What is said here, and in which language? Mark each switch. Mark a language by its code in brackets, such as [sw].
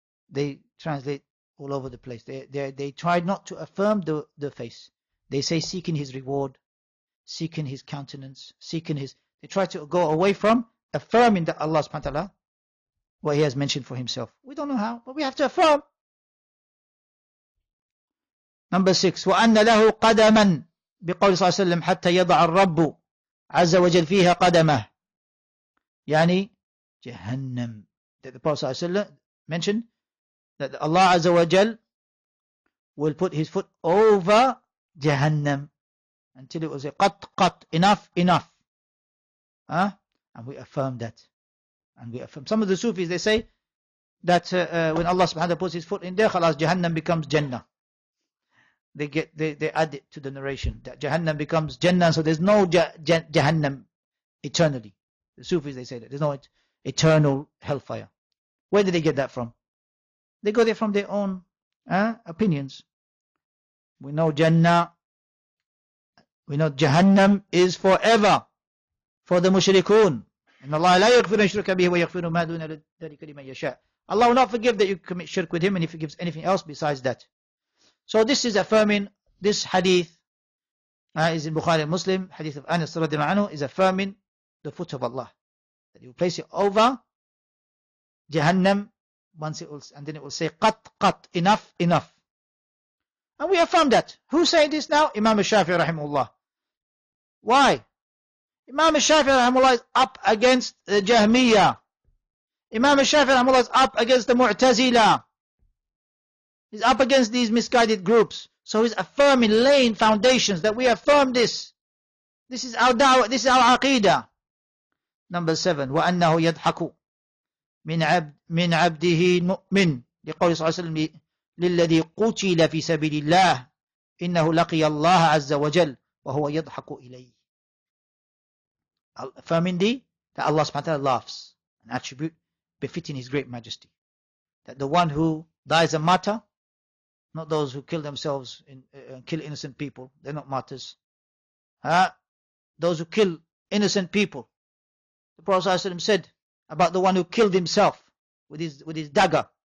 [en] They translate all over the place. They tried not to affirm the face. They say seeking his reward, seeking his countenance, seeking his... They try to go away from affirming that Allah subhanahu wa ta'ala, what he has mentioned for himself. We don't know how, but we have to affirm. Number six, [ar] وَأَنَّ لَهُ قَدَمًا بِقَوْلِ صَلَى اللَّهِ وَسَلَّمْ حَتَّى يَضَعَ الرَّبُّ عَزَّ وَجَلْ فِيهَا قَدَمَهُ, يعني جهنم. [en] That the Prophet [ar] صلى الله عليه وسلم [en] mentioned that Allah Azza wa Jal will put his foot over Jahannam until it will say, [ar] قط قط, [en] enough, enough. And we affirm that. And we affirm. Some of the Sufis, they say that when Allah subhanahu wa ta'ala puts his foot in there, khalas, Jahannam becomes Jannah. They add it to the narration that Jahannam becomes Jannah, so there's no Jahannam eternally. The Sufis, they say that. There's no eternal hellfire. Where did they get that from? They got it from their own opinions. We know Jannah, we know Jahannam is forever for the mushrikun. And Allah [ar] لا يغفر شرك به ويغفر ما دون ذلك لمن يشاء. [en] Allah will not forgive that you commit shirk with him, and he forgives anything else besides that. So this is affirming, this hadith is in Bukhari and Muslim, hadith of Anas radiallahu anhu, is affirming the foot of Allah. That you place it over Jahannam, once it will, and then it will say, [ar] قط قط, [en] enough, enough. And we affirm that. Who said this now? Imam al-Shafi'i rahimahullah. Why? Imam al-Shafi'i rahimahullah is up against the Jahmiyyah. Imam al-Shafi'i rahimahullah is up against the Mu'tazila. He's up against these misguided groups. So he's affirming, laying foundations that we affirm this. This is our da'wah, this is our aqidah. Number seven, [ar] وَأَنَّهُ يَضْحَكُ مِنْ عَبْدِهِ مُؤْمِنْ لِقَوْلِ صَلَى اللَّهِ وَسَلَّمِ لِلَّذِي قُتِلَ فِي سَبِيلِ اللَّهِ إِنَّهُ لَقِيَ اللَّهَ عَزَّ وَجَلْ وَهُوَ يَضْحَكُ إِلَيْهِ. [en] Affirming thee that Allah subhanahu wa ta'ala laughs, an attribute befitting his great majesty. That the one who dies a martyr, not those who kill themselves and kill innocent people, they're not martyrs. Those who kill innocent people. The Prophet [ar] صلى الله عليه وسلم [en] said about the one who killed himself with his dagger.